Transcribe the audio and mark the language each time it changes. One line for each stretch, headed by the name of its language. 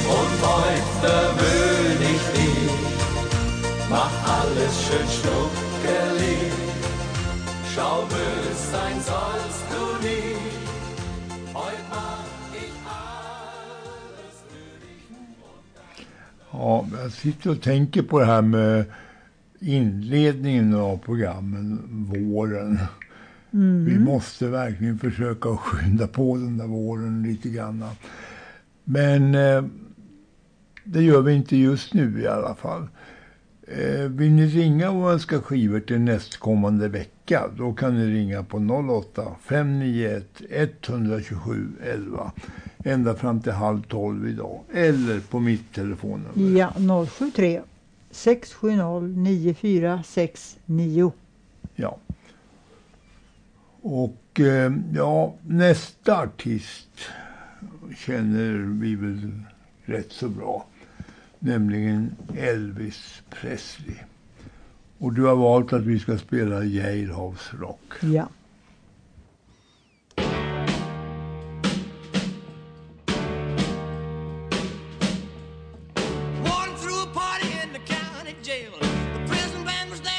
German: Und heut verwöhn ich dich, mach alles schön schnuckelig. Schau, bös sein sollst du nie, heut mach ich alles für dich.
Swedish: Ja, jag sitter och tänker på det här med inledningen av programmen, våren. Mm. Vi måste verkligen försöka skynda på den där våren lite grann. Men det gör vi inte just nu i alla fall. Vill ni ringa och önska skivor till nästkommande vecka, då kan ni ringa på 08 591 127 11 ända fram till 11:30 idag. Eller på mitt telefonnummer. Ja, 073 670 9469. Ja. Och ja, nästa artist känner vi väl rätt så bra, nämligen Elvis Presley. Och du har valt att vi ska spela Jailhouse Rock. Ja.
English: One through a party in the county jail. The prison band